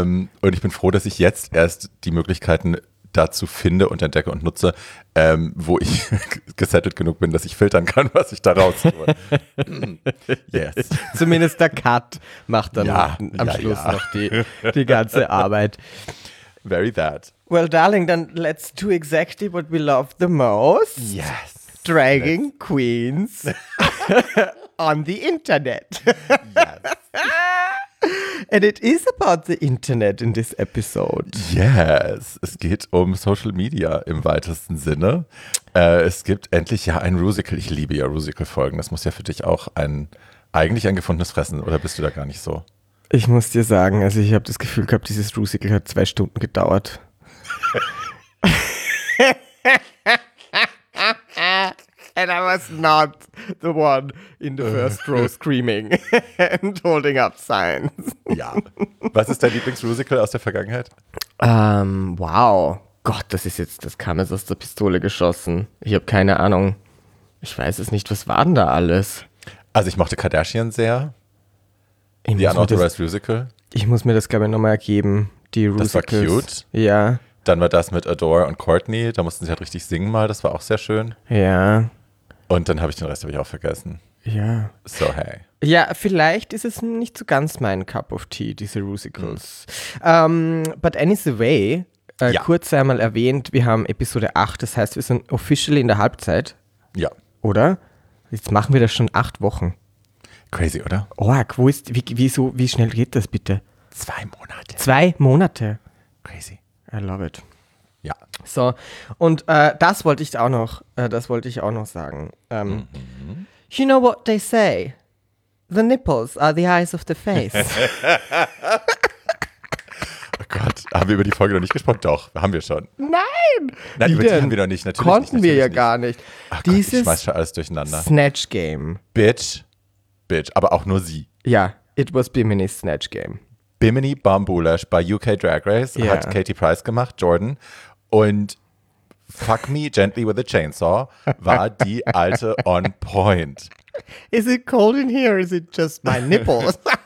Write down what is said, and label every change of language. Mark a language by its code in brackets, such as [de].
[de] Und ich bin froh, dass ich jetzt erst die Möglichkeiten dazu finde und entdecke und nutze, wo ich gesettet genug bin, dass ich filtern kann, was ich da raus tue. [en] Yes. [de] Zumindest der Cut macht dann am Schluss noch die ganze Arbeit. [en] Very that. Well, darling, then let's do exactly what we love the most. Yes. Dragging queens on the internet. Yes. And it is about the internet in this episode. [de] Yes, es geht um Social Media im weitesten Sinne. Es gibt endlich ja ein Rusical. Ich liebe ja Rusical-Folgen. Das muss ja für dich auch eigentlich ein gefundenes Fressen, oder bist du da gar nicht so? Ich muss dir sagen, also ich habe das Gefühl gehabt, dieses Rusical hat 2 Stunden gedauert. [en] And I was not the one in the first row screaming and holding up signs. [de] Ja. Was ist dein Lieblingsrusical aus der Vergangenheit? Wow. Gott, das kam jetzt aus der Pistole geschossen. Ich habe keine Ahnung. Ich weiß es nicht, was war denn da alles? Also ich mochte Kardashian sehr. [en] The Unauthorized Rusical. [de] Ich muss mir das, glaube ich, nochmal ergeben. Die Rusicals. Das war cute. Ja. Dann war das mit Adore und Courtney. Da mussten sie halt richtig singen mal. Das war auch sehr schön. Ja. Und dann habe ich den Rest habe ich auch vergessen. Ja. So, hey. Ja, vielleicht ist es nicht so ganz mein [en] Cup of Tea, [de] diese Rusicals. Mhm. [en] But anyway, [de] kurz einmal erwähnt, wir haben Episode 8. Das heißt, wir sind officially in der Halbzeit. Ja. Oder? Jetzt machen wir das schon 8 Wochen. Crazy, oder? Org, wo ist, wie schnell geht das bitte? 2 Monate. 2 Monate. [en] Crazy. I love it. [de] Ja. So, und das wollte ich auch noch sagen. [en] You know what they say? The nipples are the eyes of the face. [de] Oh Gott, haben wir über die Folge noch nicht gesprochen? Doch, haben wir schon. Nein! Nein, über die haben wir noch nicht, natürlich konnten nicht. Konnten wir ja nicht. Gar nicht. Ach Dieses Gott, ich schmeiß schon alles durcheinander. Snatch Game. Bitch, aber auch nur sie. Ja, [en] yeah, it was Bimini's Snatch Game. [de] Bimini Bambulash bei UK Drag Race hat Katie Price gemacht, Jordan. Und Fuck Me Gently with a Chainsaw war die alte on point. [en] Is it cold in here or is it just my nipples?